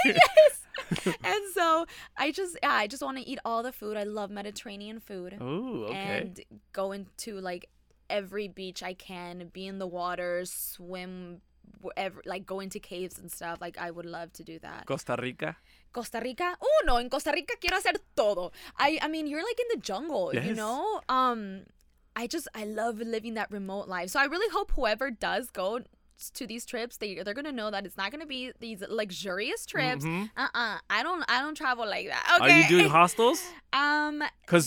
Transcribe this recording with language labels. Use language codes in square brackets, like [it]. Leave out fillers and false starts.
[en] Yes. And so I just I just want to eat all the food. I love Mediterranean food. Ooh, okay. And go into like every beach I can, be in the water, swim, wherever, like go into caves and stuff. Like I would love to do that. Costa Rica? Costa Rica? Oh no, in [es] Costa Rica quiero hacer todo. [en] I mean, you're like in the jungle, yes. You know? I love living that remote life. So I really hope whoever does go to these trips, they're gonna know that it's not gonna be these luxurious trips. Mm-hmm. I don't travel like that. Okay. Are you doing hostels? Because